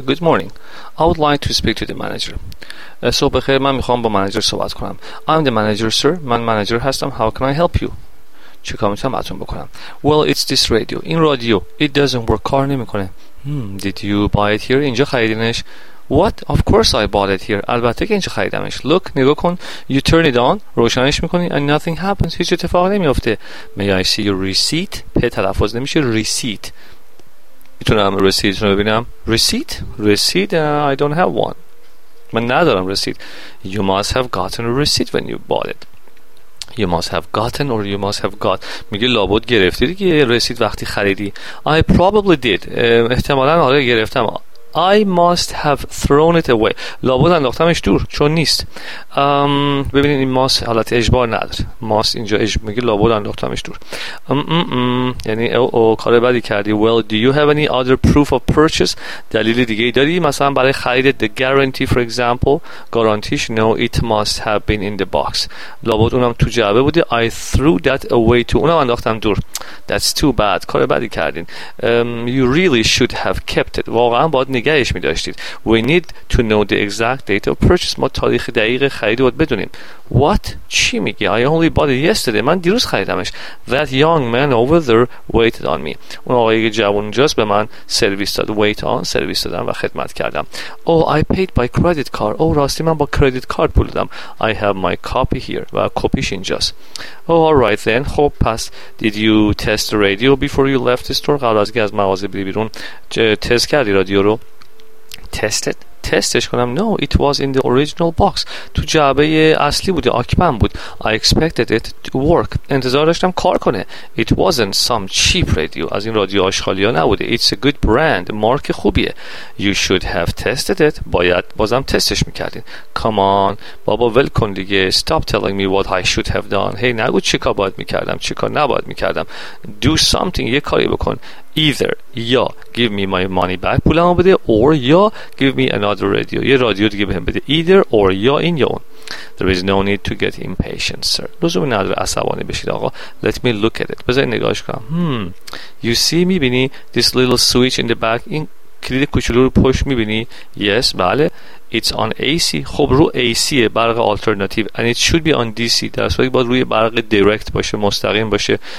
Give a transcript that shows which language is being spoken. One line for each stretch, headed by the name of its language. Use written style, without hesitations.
English: Good morning, I would like to speak to the manager.
Persian: صبح بخیر، من میخوام با منیجر صحبت کنم.
English: I'm the manager sir.
Persian: من منیجر هستم.
English: How can I help you؟
Persian: چه کار میتونم براتون بکنم؟
English: Well, it's this radio.
Persian: این رادیو.
English: It doesn't work.
Persian: کار نمیکنه.
English: Did you buy it here؟
Persian: اینجا خریدینش؟
English: What? Of course I bought it here.
Persian: البته که اینجا خریدمش.
English: Look,
Persian: نگاه کن.
English: You turn it on.
Persian: روشنش میکنی.
English: And nothing happens.
Persian: هیچ اتفاق نمیفته.
English: May I see your receipt?
Persian: په تلفظ نمیشه.
English: Receipt.
Persian: میتونم receipt رو ببینم.
English: Receipt? Receipt? I don't have one.
Persian: من ندارم
English: receipt. You must have gotten a receipt when you bought it. You must have gotten or you must have got.
Persian: میگه لابد گرفتی دیگه receipt وقتی خریدی.
English: I probably did.
Persian: احتمالا آره گرفتم.
English: I must have thrown it away.
Persian: لابد انداختمش دور چون نیست. ببینید این must حالت اجبار نداره. Must اینجا اجبار میگه لابد انداختمش دور. یعنی او کار بدی کردی.
English: Well, do you have any other proof of purchase?
Persian: دلیل دیگه داری مثلا برای خرید؟
English: The guarantee for example. Guarantee? No, it must have been in the box.
Persian: لابد اونم تو جعبه بودی.
English: I threw that away too.
Persian: اونم انداختم دور.
English: That's too bad.
Persian: کار بدی کردین.
English: You really should have kept it.
Persian: واقعا باید نگهش می‌داشتید.
English: We need to know the exact date of purchase.
Persian: ما تاریخ دقیق خرید رو بدونیم.
English: What?
Persian: چی میگی؟
English: I only bought it yesterday.
Persian: من دیروز خریدمش.
English: That young man over there waited on me.
Persian: اون آقایی که جوان اونجاست به من سرویس داد.
English: Wait on.
Persian: سرویس دادم و خدمت کردم.
English: Oh, I paid by credit card.
Persian: Oh, راستی من با credit card پول دادم.
English: I have my copy here.
Persian: و کپیش اینجاست.
English: Oh, alright then.
Persian: خب پس
English: did you test the radio before you left the store?
Persian: قبل از که از مغازه بری بیرون تست کردی رادیو رو؟ Tested. تستش کنم؟
English: No, it was in the original box.
Persian: تو جعبه اصلی بود، آکیپم بود.
English: I expected it to work.
Persian: انتظار داشتم کار کنه.
English: It wasn't some cheap radio.
Persian: از این رادیو آشغالی ها نبوده.
English: It's a good brand.
Persian: مارک خوبیه.
English: You should have tested it.
Persian: باید بازم تستش میکردین.
English: Come on.
Persian: بابا ول کن دیگه.
English: Stop telling me what I should have done.
Persian: Hey, نگو چی کار باید میکردم، چی کار نباید میکردم.
English: Do something.
Persian: یه کاری بکن.
English: Either یا give me my money back
Persian: پولم رو بده
English: or یا give me another radio
Persian: یه رادیو دیگه بهم بده.
English: Either or
Persian: یا این یا اون.
English: There is no need to get impatient sir.
Persian: لزومی نداره عصبانی بشید آقا.
English: Let me look at it.
Persian: بذار نگاهش کنم.
English: You see میبینی this little switch in the back.
Persian: این کلید کوچولو رو پشت میبینی؟ Yes بله.
English: It's on AC. خب رو AC
Persian: برق آلترناتیو.
English: And it should be on DC.
Persian: در اصل باید روی برق دایرکت باشه، مستقیم باشه.